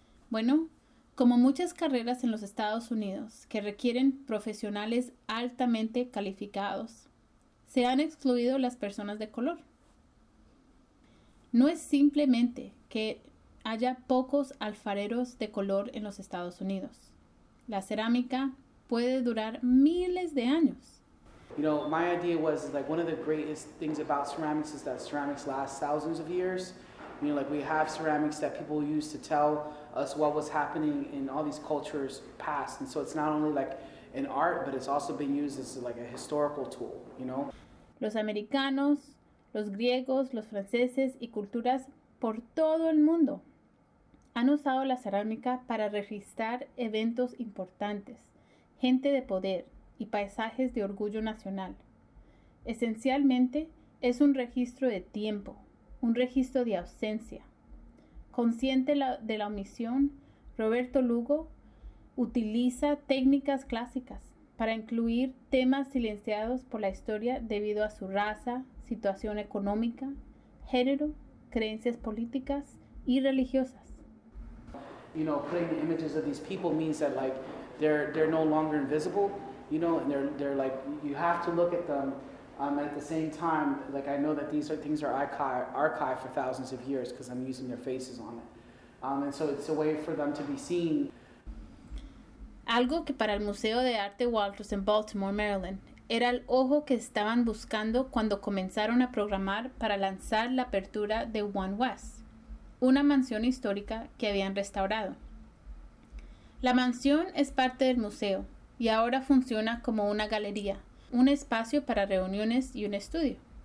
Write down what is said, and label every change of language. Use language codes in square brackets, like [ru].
[es] Bueno, como muchas carreras en los Estados Unidos que requieren profesionales altamente calificados, se han excluido las personas de color. No es simplemente que haya pocos alfareros de color en los Estados Unidos. La cerámica puede durar miles de años. [en] You know, my idea was like one of the greatest things about ceramics is that ceramics last thousands of years. You know, like we have ceramics that people use to tell us what was happening in all these cultures past. And so it's not only like an art, but it's also been used as like a historical tool, you know? [es] Los americanos, los griegos, los franceses y culturas por todo el mundo han usado la cerámica para registrar eventos importantes, gente de poder y paisajes de orgullo nacional. Esencialmente, es un registro de tiempo, un registro de ausencia. Consciente de la omisión, Roberto Lugo utiliza técnicas clásicas para incluir temas silenciados por la historia debido a su raza, situación económica, género, creencias políticas y religiosas. [en] You know, putting the images of these people means that like they're no longer invisible, you know, and they're like you have to look at them. At the same time, like I know that these are things are archived for thousands of years because I'm using their faces on it. And so it's a way for them to be seen. [es] Algo que para el Museo de Arte Walters en Baltimore, Maryland, era el ojo que estaban buscando cuando comenzaron a programar para lanzar la apertura de One West, una mansión histórica que habían restaurado. La mansión es parte del museo y ahora funciona como una galería, un espacio para reuniones y un estudio.